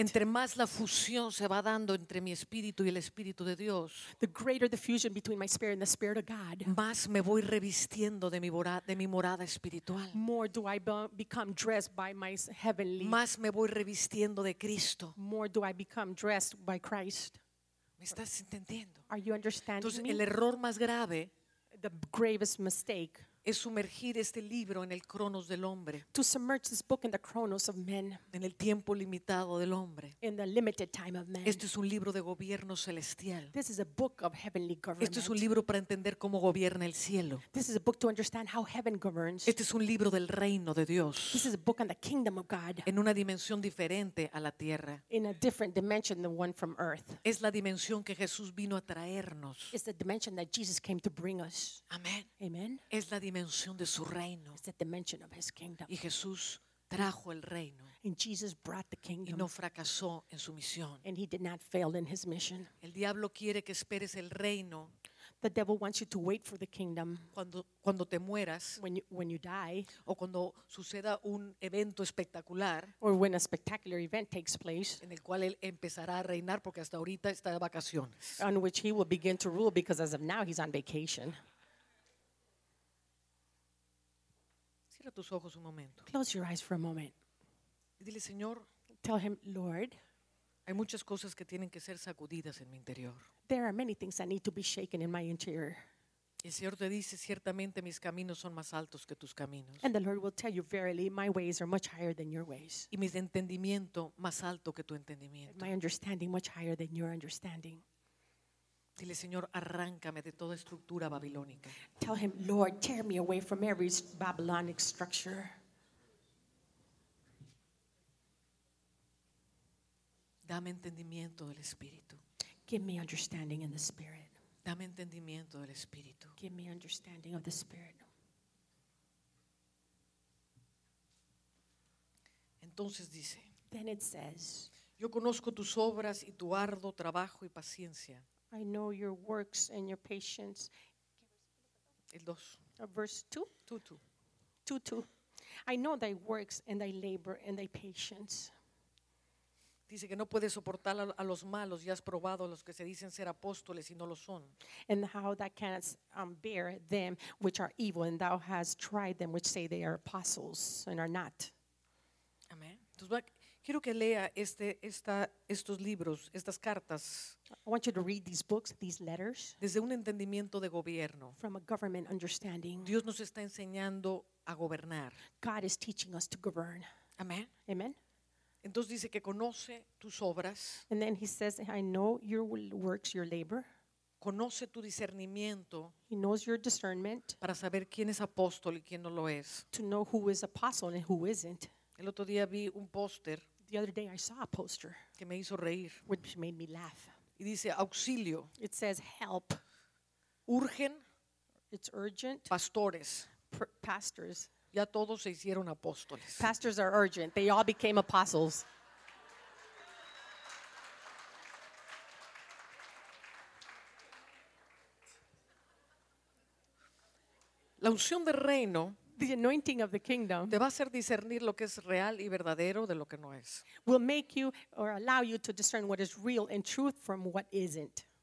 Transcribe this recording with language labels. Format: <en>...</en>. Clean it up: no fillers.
<es>Entre más la fusión se va dando entre mi Espíritu y el Espíritu de Dios.</es> <en>The greater the fusion between my Spirit and the Spirit of God.</en> <es>Más me voy revistiendo de mi morada espiritual.</es> <en>More do I become dressed by my heavenly.</en> <es>Más me voy revistiendo de Cristo.</es> <en>More do I become dressed by Christ.</en> <es>¿Estás entendiendo?</es> <en>Are you understanding</en> <es>Entonces,</es> <en>me?</en> <es>El error más grave,</es> <en>the gravest mistake,</en> <es>es sumergir este libro en el cronos del hombre.</es> <en>To submerge this book in the chronos of men.</en> <es>En el tiempo limitado del hombre.</es> <en>In the limited time of men.</en> <es>Esto es un libro de gobierno celestial.</es> <en>This is a book of heavenly government.</en> <es>Esto es un libro para entender cómo gobierna el cielo.</es> <en>This is a book to understand how heaven governs.</en> <es>Este es un libro del reino de Dios.</es> <en>This is a book on the kingdom of God.</en> <es>En una dimensión diferente a la tierra.</es> <en>In a different dimension than one from earth.</en> <es>Es la dimensión que Jesús vino a traernos.</es> <en>It's the dimension that Jesus came to bring us.</en> <es>Amén.</es> <en>Amen.</en> <es>Es la dimensión de su reino.</es> <en>It's the dimension of his kingdom.</en> <es>Y Jesús trajo el reino.</es> <en>And Jesus brought the kingdom.</en> <es>Y no fracasó en su misión.</es> <en>And he did not fail in his mission.</en> <es>El diablo quiere que esperes el reino.</es> <en>The devil wants you to wait for the kingdom.</en> <es>Cuando te mueras,</es> <en>when you die,</en> <es>o cuando suceda un evento espectacular,</es> <en>or when a spectacular event takes place,</en> <es>en el cual él empezará a reinar porque hasta ahorita está de vacaciones.</es> <en>On which he will begin to rule because as of now he's on vacation.</en> <es>Cierra tus ojos un momento.</es> <en>Close your eyes for a moment.</en> <es>Dile, Señor,</es> <en>tell him, Lord,</en> <es>hay muchas cosas que tienen que ser sacudidas en mi interior.</es> <en>There are many things that need to be shaken in my interior.</en> <es>El Señor te dice, ciertamente mis caminos son más altos que tus caminos.</es> <en>And the Lord will tell you, verily, my ways are much higher than your ways.</en> <es>Y mi entendimiento más alto que tu entendimiento.</es> <en>My understanding much higher than your understanding.</en> <es>Dile, Señor, arráncame de toda estructura babilónica.</es> <en>Tell him, Lord, tear me away from every Babylonic structure.</en> <es>Dame entendimiento del Espíritu.</es> <en>Give me understanding in the Spirit.</en> <es>Dame entendimiento del Espíritu.</es> <en>Give me understanding of the Spirit.</en> <es>Entonces dice,</es> <en>then it says,</en> <es>yo conozco tus obras y tu arduo trabajo y paciencia.</es> <en>I know your works and your patience.</en> <es>El dos.</es> <en>Verse 2. I know thy works and thy labor and thy patience.</en> <es>Dice que no puedes soportar a los malos y has probado a los que se dicen ser apóstoles y no lo son.</es> <en>And how thou canst bear them which are evil, and thou hast tried them which say they are apostles and are not.</en> <es>Amen. Entonces, quiero que lea estos libros, estas cartas.</es> <en>I want you to read these books, these letters.</en> <es>Desde un entendimiento de gobierno.</es> <en>From a government understanding.</en> <es>Dios nos está enseñando a gobernar.</es> <en>God is teaching us to govern.</en> <es>Amen.</es> <en>Amen.</en> <es>Entonces dice que conoce tus obras.</es> <en>And then he says, I know your works, your labor.</en> <es>Conoce tu discernimiento.</es> <en>He knows your discernment.</en> <es>Para saber quién es apóstol y quién no lo es.</es> <en>To know who is apostle and who isn't.</en> <es>El otro día vi un póster.</es> <en>The other day I saw a poster.</en> <es>Que me hizo reír.</es> <en>Which made me laugh.</en> <es>Y dice, auxilio.</es> <en>It says, help.</en> <es>Urgen.</es> <en>It's urgent.</en> <es>Pastores.</es> <en>Pastors.</en> <es>Ya todos se hicieron apóstoles.</es> <en>Pastors are urgent. They all became apostles.</en> <es>La unción del reino,</es> <en>the anointing of the kingdom,</en> <es>te va a hacer discernir lo que es real y verdadero de lo que no es.</es> <en>Will make you or allow you to discern what is real and truth from what isn't.</en>